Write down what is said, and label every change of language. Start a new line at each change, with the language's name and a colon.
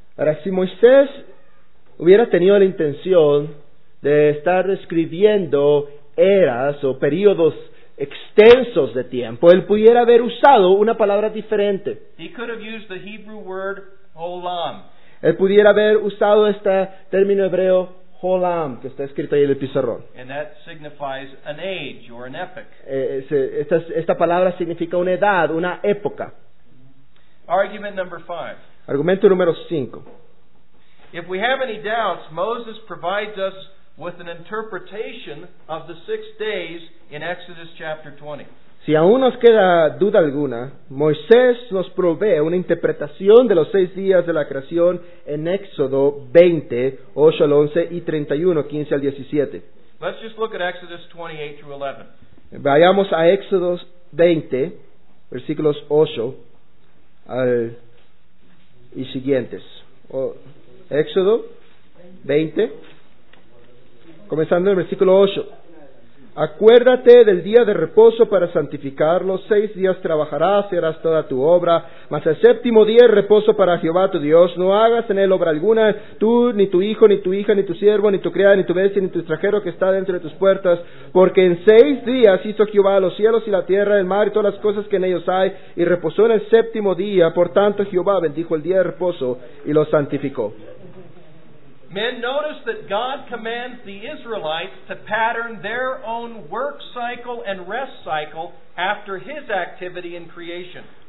Spanish: Ahora, si Moisés hubiera tenido la intención de estar describiendo eras o periodos extensos de tiempo, él pudiera haber usado una palabra diferente.
English: He could have used the Hebrew word olam.
Spanish: Él pudiera haber usado este término hebreo Olam, que está escrito ahí en el pizarrón.
English: And that signifies an age or an epoch.
Spanish: Esta palabra significa una edad, una época.
English: Argument number five.
Spanish: Argumento número cinco.
English: If we have any doubts, Moses provides us with an interpretation of the 6 days in Exodus chapter 20.
Spanish: Si aún nos queda duda alguna, Moisés nos provee una interpretación de los 6 días de la creación en Éxodo 20, 8 al 11 y 31, 15 al 17.
English: Let's just look at Exodus 28 through 11.
Spanish: Vayamos a Éxodo 20, versículos 8 al, y siguientes. Éxodo 20, comenzando en el versículo 8. Acuérdate del día de reposo para santificarlo. 6 días trabajarás y harás toda tu obra, mas el séptimo día es reposo para Jehová tu Dios. No hagas en él obra alguna, tú, ni tu hijo, ni tu hija, ni tu siervo, ni tu criada, ni tu bestia, ni tu extranjero que está dentro de tus puertas, porque en 6 días hizo Jehová los cielos y la tierra, el mar y todas las cosas que en ellos hay, y reposó en el séptimo día. Por tanto, Jehová bendijo el día de reposo y lo santificó.
English: Men, notice that God commands the Israelites to pattern their own work cycle and rest cycle after His activity in creation.